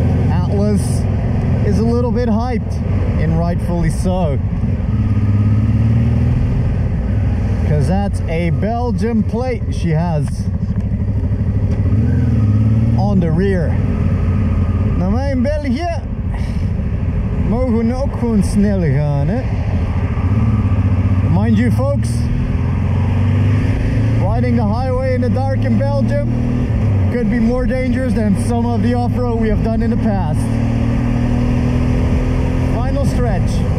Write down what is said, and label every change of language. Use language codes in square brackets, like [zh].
[en] Atlas is a little bit hyped, and rightfully so. Because that's a Belgium plate she has on the rear. Now, we're in Belgium. [nl] Mogen ook gewoon sneller gaan, hè? [en] Mind you, folks, riding the highway in the dark in Belgium could be more dangerous than some of the off-road we have done in the past. Final stretch.